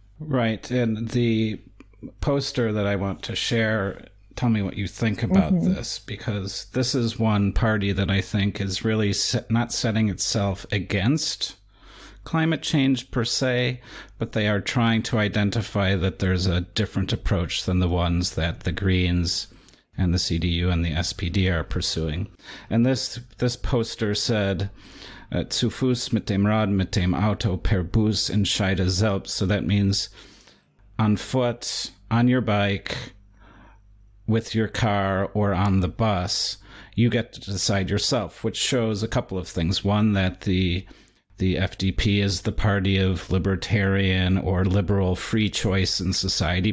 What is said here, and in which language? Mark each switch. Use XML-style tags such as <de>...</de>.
<en>Right, and the poster that I want to share, tell me what you think about this, because this is one party that I think is really not setting itself against climate change per se, but they are trying to identify that there's a different approach than the ones that the Greens and the CDU and the SPD are pursuing. And this poster said,</en> <de>zu Fuß mit dem Rad, mit dem Auto, per Bus, entscheide selbst.</de> <en>So that means on foot, on your bike, with your car, or on the bus, you get to decide yourself, which shows a couple of things. One, that the FDP is the party of libertarian or liberal free choice in society.</en>